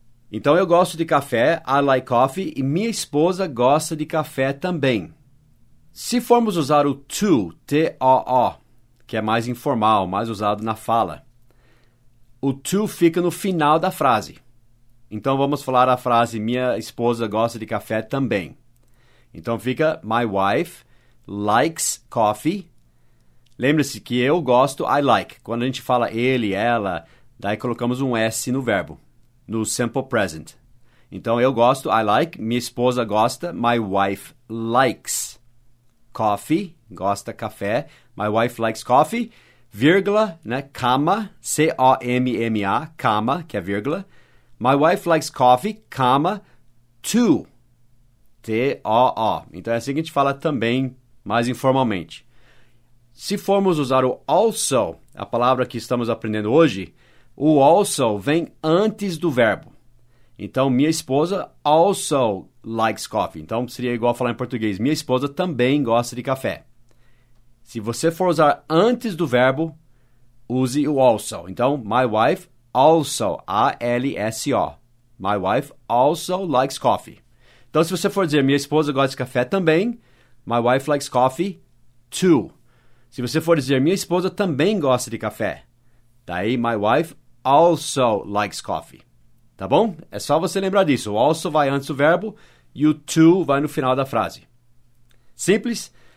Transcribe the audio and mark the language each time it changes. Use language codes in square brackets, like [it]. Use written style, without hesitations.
[pt] Então eu gosto de café, [en] I like coffee, [pt] e minha esposa gosta de café também. Se formos usar o to, T-O-O, que é mais informal, mais usado na fala, o to fica no final da frase. Então, vamos falar a frase, minha esposa gosta de café também. [en] Então, fica, my wife likes coffee. [pt] Lembre-se que eu gosto, [en] I like. [pt] Quando a gente fala ele, ela, daí colocamos um S no verbo, no simple present. Então, eu gosto, [en] I like, [pt] minha esposa gosta, [en] my wife likes coffee, [pt] gosta café. [en] My wife likes coffee, vírgula, né, comma, C-O-M-M-A, comma, [pt] que é vírgula. [en] My wife likes coffee, comma, to, T-O-O. [pt] Então, é assim que a gente fala também, mais informalmente. Se formos usar o also, a palavra que estamos aprendendo hoje, o also vem antes do verbo. Então, minha esposa [en] also likes coffee. [pt] Então, seria igual falar em português, minha esposa também gosta de café. Se você for usar antes do verbo, use o also. [en] Então, my wife also, A-L-S-O. My wife also likes coffee. [pt] Então, se você for dizer, minha esposa gosta de café também, [en] my wife likes coffee too. [pt] Se você for dizer, minha esposa também gosta de café, daí, [en] my wife also likes coffee. [pt] Tá bom? É só você lembrar disso. O also vai antes do verbo e o to vai no final da frase. Simples?